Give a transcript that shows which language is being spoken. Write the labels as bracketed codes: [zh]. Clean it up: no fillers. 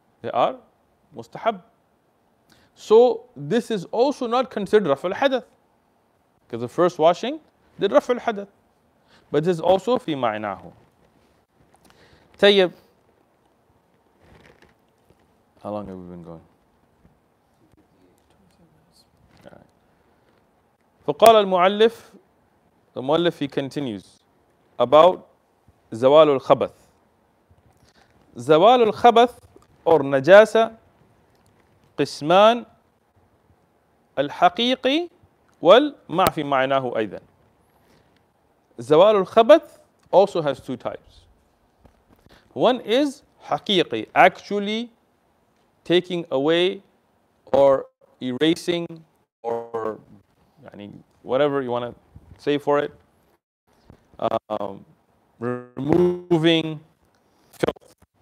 [en] They are mustahab. So this is also not considered raf al-hadath. Because the first washing did raf al-hadath. But this is also fi ma'inahu. Tayyib. How long have we been going? [ar] فقال المؤلف, [en] the مؤلف, he continues about زوال الخبث. [ar] زوال الخبث or نجاسة قسمان الحقيقي والمعفي معناه أيضا. [en] زوال الخبث also has two types. One is حقيقي, actually taking away or erasing or يعني whatever you want to say for it, removing filth.